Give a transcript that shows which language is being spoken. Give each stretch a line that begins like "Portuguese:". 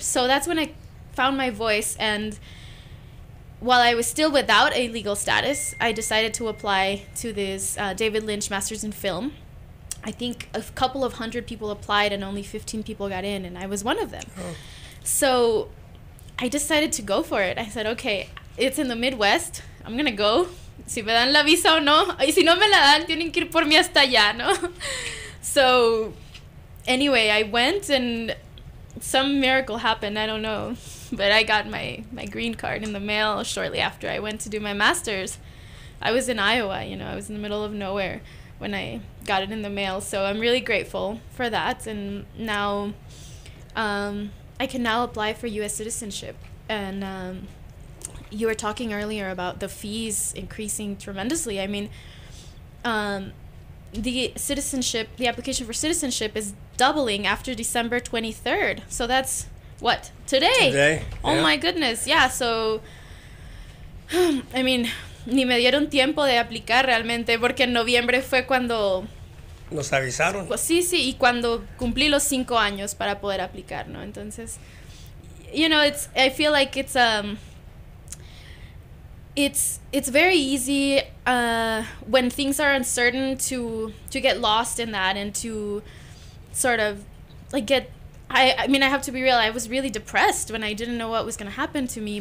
English: So that's when I found my voice. And while I was still without a legal status, I decided to apply to this David Lynch Master's in Film. I think a couple of hundred people applied and only 15 people got in, and I was one of them. Oh. So I decided to go for it. I said, okay, it's in the Midwest. I'm going to go.
Spanish: Si me dan la visa o no. Y si no me la dan, tienen que ir por mí hasta allá, ¿no?
English: So anyway, I went, and some miracle happened. I don't know. But I got my green card in the mail shortly after I went to do my master's. I was in Iowa, you know. I was in the middle of nowhere when I got it in the mail, so I'm really grateful for that. And now I can now apply for U.S. citizenship. And you were talking earlier about the fees increasing tremendously. I mean, the application for citizenship is doubling after December 23rd. So that's what? Today? Today. Oh, yeah. My goodness. Yeah, so I mean,
Spanish: ni me dieron tiempo de aplicar realmente, porque en noviembre fue cuando nos avisaron. Pues sí, y cuando cumplí los 5 años para poder aplicar, ¿no? Entonces,
English: you know, I feel like it's very easy when things are uncertain to get lost in that and to sort of like get, I mean, I have to be real, I was really depressed when I didn't know what was going to happen to me.